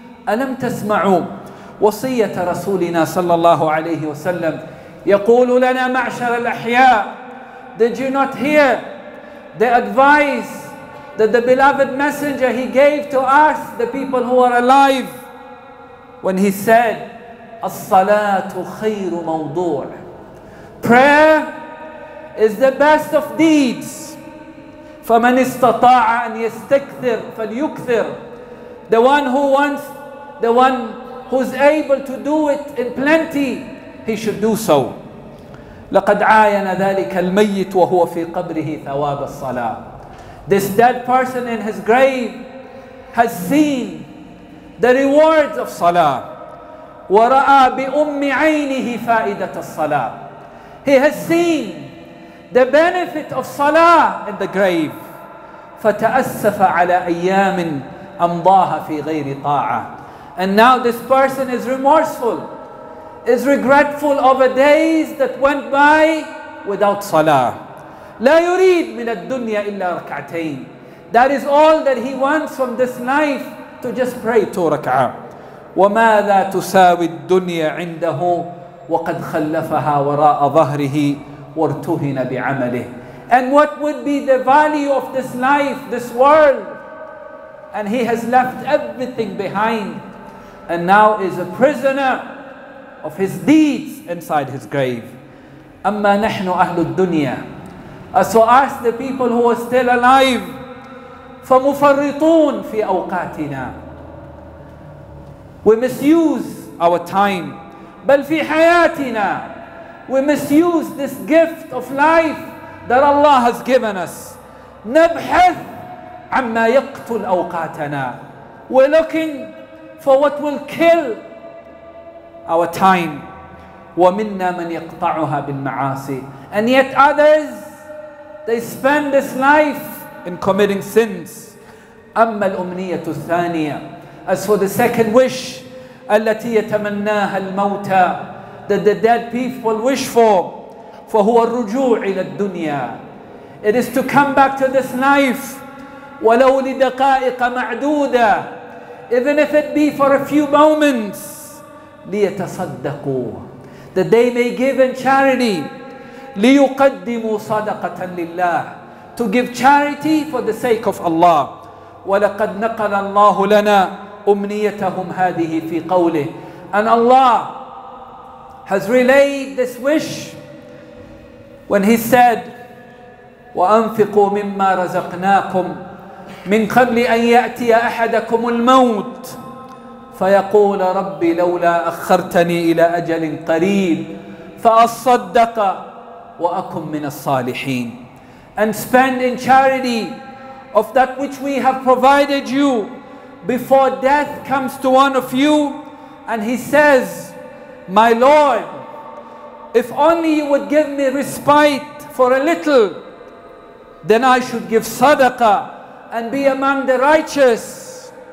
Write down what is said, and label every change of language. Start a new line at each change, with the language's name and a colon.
Arabic: ألم تسمعوا وصية رسولنا صلى الله عليه وسلم يقول لنا معشر الأحياء?
English: Did you not hear the advice that the beloved messenger he gave to us, the people who are alive, when he said,
Arabic: الصلاة خير موضوع.
English: Prayer is the best of deeds.
Arabic: فمن استطاع أن يستكثر فليكثر.
English: The one who wants, the one who's able to do it in plenty, he should do so.
Arabic: لقد عاين ذلك الميت وهو في قبره ثواب الصلاة.
English: This dead person in his grave has seen the rewards of salah.
Arabic: وَرَأَى بِأُمِّ عَيْنِهِ فَائِدَةَ الصَّلَاةِ.
English: He has seen the benefit of salah in the grave.
Arabic: فَتَأَسَّفَ عَلَىٰ أَيَّامٍ أَمْضَاهَ فِي غَيْرِ طَاعَةٍ.
English: And now this person is remorseful, is regretful over days that went by without salah.
Arabic: لا يريد من الدنيا إلا ركعتين.
English: That is all that he wants from this life, to just pray two rak'ah.
Arabic: وماذا تساوي الدنيا عنده وقد خلفها وراء ظهره وارتهن بعمله.
English: And what would be the value of this life, this world, and he has left everything behind and now is a prisoner of his deeds inside his grave.
Arabic: أما نحن أهل الدنيا.
English: So ask the people who are still alive.
Arabic: فَمُفَرِّطُونَ فِي أَوْقَاتِنَا.
English: We misuse our time.
Arabic: بَلْ فِي حَيَاتِنَا.
English: We misuse this gift of life that Allah has given us.
Arabic: نَبْحَثْ عَمَّا يَقْتُلْ أَوْقَاتَنَا.
English: We're looking for what will kill our time.
Arabic: وَمِنَّا مَنْ يَقْطَعُهَا بِالْمَعَاصِي.
English: And yet others, they spend this life in committing sins.
Arabic: أما الأمنية الثانية,
English: as for the second wish,
Arabic: التي يتمناها الموتى,
English: that the dead people wish for,
Arabic: فهو الرجوع إلى الدنيا.
English: It is to come back to this life,
Arabic: ولو لدقائق معدودة,
English: even if it be for a few moments,
Arabic: ليتصدقوا,
English: that they may give in charity.
Arabic: ليقدموا صدقة لله,
English: to give charity for the sake of Allah.
Arabic: ولقد نقل الله لنا أمنيتهم هذه في قوله.
English: And Allah has relayed this wish when he said,
Arabic: وأنفقوا مما رزقناكم من قبل أن يأتي أحدكم الموت فيقول ربي لولا أخرتني إلى أجل قريب فأصدق وأكن من الصالحين.
English: And spend in charity of that which we have provided you before death comes to one of you. And he says, my Lord, if only you would give me respite for a little, then I should give sadaqah and be among the righteous.